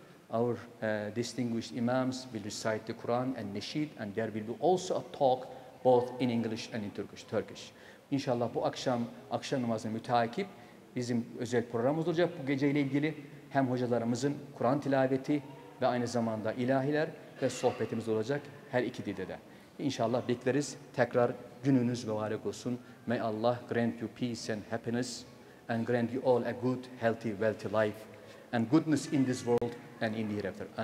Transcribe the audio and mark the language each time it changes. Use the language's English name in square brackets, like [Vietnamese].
[English] Our distinguished imams will recite the Quran and Nasheed, and there will be also a talk both in English and in Turkish. [Turkish] İnşallah bu akşam namazını müteakip bizim özel programımız olacak bu geceyle ilgili. Hem hocalarımızın Kur'an tilaveti ve aynı zamanda ilahiler ve sohbetimiz olacak her iki dilde de. İnşallah bekleriz. Tekrar gününüz mübarek olsun. [English] May Allah grant you peace and happiness and grant you all a good, healthy, wealthy life and goodness in this world and in the hereafter.